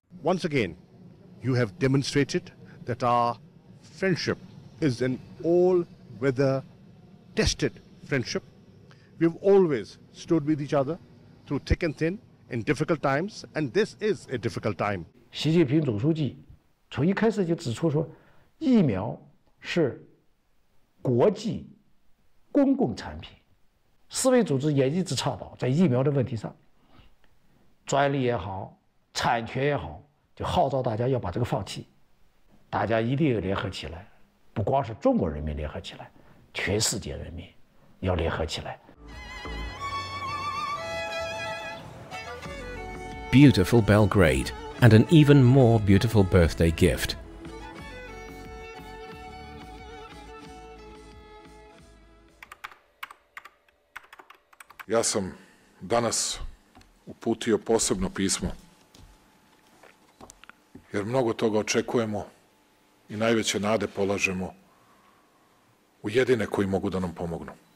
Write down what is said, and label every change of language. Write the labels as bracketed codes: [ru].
[en] Once again, you have demonstrated that our friendship is an all-weather tested friendship. We've always stood with each other through thick and thin in difficult times, and this is a difficult time. [zh] Xi Jinping 总书记从一开始就指出说, 疫苗是国际公共产品，世卫组织也一直倡导在疫苗的问题上，专利也好，产权也好，就号召大家要把这个放弃，大家一定要联合起来，不光是中国人民联合起来，全世界人民要联合起来。 [en] Beautiful Belgrade, and an even more beautiful birthday gift. [sr] Ja sam danas uputio posebno pismo, jer mnogo toga očekujemo I najveće nade polažemo u jedine koji mogu da nam pomognu.